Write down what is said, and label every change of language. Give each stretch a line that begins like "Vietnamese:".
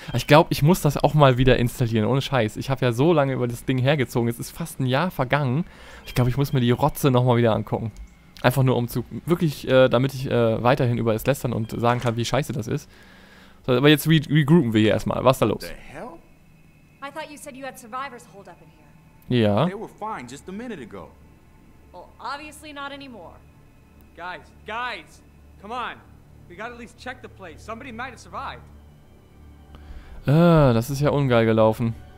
German: Ich glaube, ich muss das auch mal wieder installieren. Ohne Scheiß. Ich habe ja so lange über das Ding hergezogen. Es ist fast ein Jahr vergangen. Ich glaube, ich muss mir die Rotze nochmal wieder angucken. Einfach nur, um zu... Wirklich, damit ich weiterhin über es lästern und sagen kann, wie scheiße das ist. So, aber jetzt regroupen wir hier erstmal. Was ist da los?
English: I thought you said you had survivors hold up in here.
German: Ja.
English: They were fine just a minute ago. Well, obviously not anymore. Guys, guys, come on. We gotta at least check the place. Somebody might have survived.
German: Das ist ja ungeil gelaufen.